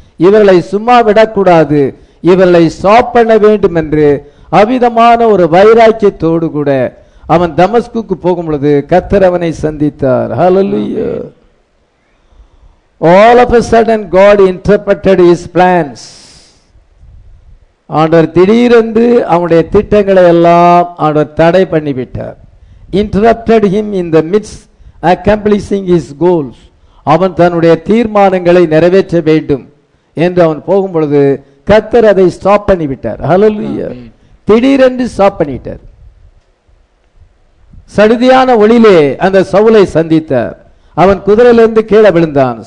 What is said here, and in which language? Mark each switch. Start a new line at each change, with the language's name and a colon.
Tamil: இவர்களை சும்மா விடக்கூடாது, இவர்களை ஸ்டாப் பண்ண வேண்டும் என்று அவிதமான ஒரு வைராக்கியத்தோடு கூட அவன் தமஸ்குக்கு போகும் பொழுது கர்த்தர் அவனை சந்தித்தார். ஹல்லேலூயா.
English: All of a sudden God interpreted his plans.
Tamil: ஆண்டவர் திடீரென்று அவனுடைய திட்டங்களை எல்லாம் ஆண்டவர் தடை பண்ணிவிட்டார்.
English: Interrupted him in the midst accomplishing his goals.
Tamil: அவன் தன்னுடைய தீர்மானங்களை நிறைவேற்ற வேண்டும் என்று அவன் போகும் பொழுது கர்த்தர் அதை ஸ்டாப் பண்ணிவிட்டார். ஹல்லேலூயா. திடீரென்று ஸ்டாப் பண்ணிட்டார். சடுதியான ஒளியிலே அந்த சவுலை சந்தித்தார். அவன் குதிரையிலிருந்து கீழே விழுந்தான்.